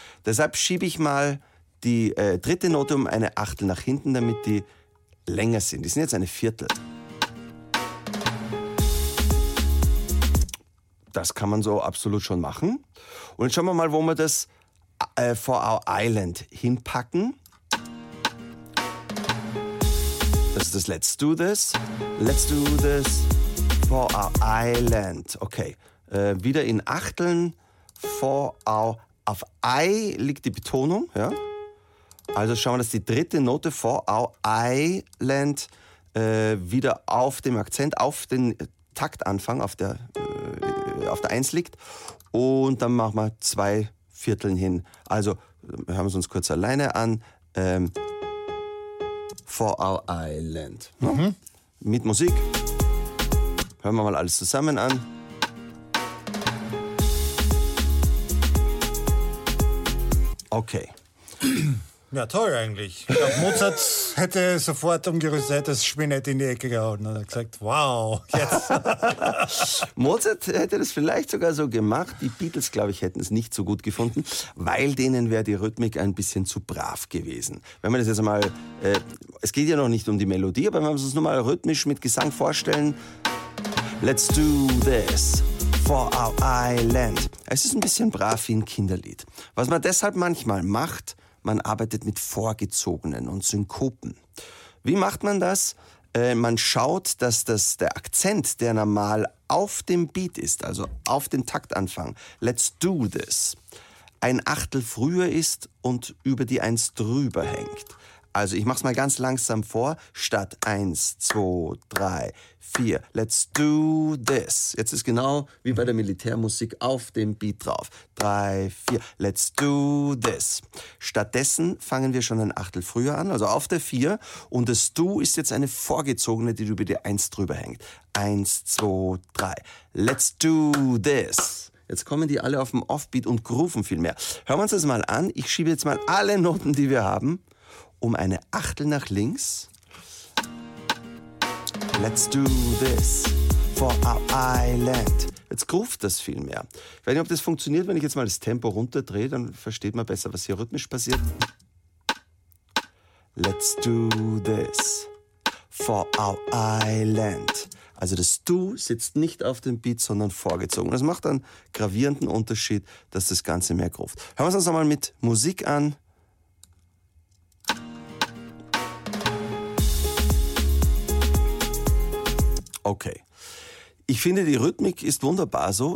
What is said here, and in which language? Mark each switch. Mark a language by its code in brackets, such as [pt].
[de] Deshalb schiebe ich mal die dritte Note um eine Achtel nach hinten, damit die länger sind. Die sind jetzt eine Viertel. Das kann man so absolut schon machen. Und jetzt schauen wir mal, wo wir das [en] For Our Island [de] hinpacken. Das ist das [en] Let's Do This. Let's Do This For Our Island. [de] Okay, wieder in Achteln. [en] For Our, [de] auf I liegt die Betonung. Ja? Also schauen wir, dass die dritte Note [en] For Our Island [de] wieder auf dem Akzent, auf den Taktanfang, auf der 1 liegt. Und dann machen wir 2 Vierteln hin. Also hören wir es uns kurz alleine an. [en] For Our Island. [de] Ne? Mhm. Mit Musik. Hören wir mal alles zusammen an. Okay. Ja, toll eigentlich. Ich glaube, Mozart hätte sofort umgerüstet, das Spinett in die Ecke gehauen und hat gesagt, wow, jetzt. Mozart hätte das vielleicht sogar so gemacht. Die Beatles, glaube ich, hätten es nicht so gut gefunden, weil denen wäre die Rhythmik ein bisschen zu brav gewesen. Wenn man das jetzt mal, es geht ja noch nicht um die Melodie, aber wenn wir uns nur mal rhythmisch mit Gesang vorstellen. [en] Let's do this for our island. [de] Es ist ein bisschen brav wie ein Kinderlied. Was man deshalb manchmal macht, man arbeitet mit Vorgezogenen und Synkopen. Wie macht man das? Man schaut, dass das der Akzent, der normal auf dem Beat ist, also auf den Taktanfang, [en] let's do this, [de] ein Achtel früher ist und über die 1 drüber hängt. Also ich mach's mal ganz langsam vor, statt 1, 2, 3, 4, [en] let's do this. [de] Jetzt ist genau wie bei der Militärmusik auf dem Beat drauf. 3, 4, [en] let's do this. [de] Stattdessen fangen wir schon ein Achtel früher an, also auf der 4. Und das Do ist jetzt eine vorgezogene, die über die 1 drüber hängt. 1, 2, 3, [en] let's do this. [de] Jetzt kommen die alle auf dem Offbeat und grooven viel mehr. Hören wir uns das mal an. Ich schiebe jetzt mal alle Noten, die wir haben, um eine Achtel nach links. [en] Let's do this for our island. [de] Jetzt groovt das viel mehr. Ich weiß nicht, ob das funktioniert, wenn ich jetzt mal das Tempo runterdrehe, dann versteht man besser, was hier rhythmisch passiert. [en] Let's do this for our island. [de] Also das Do sitzt nicht auf dem Beat, sondern vorgezogen. Das macht einen gravierenden Unterschied, dass das Ganze mehr groovt. Hören wir es uns nochmal mit Musik an. Okay, ich finde, die Rhythmik ist wunderbar so.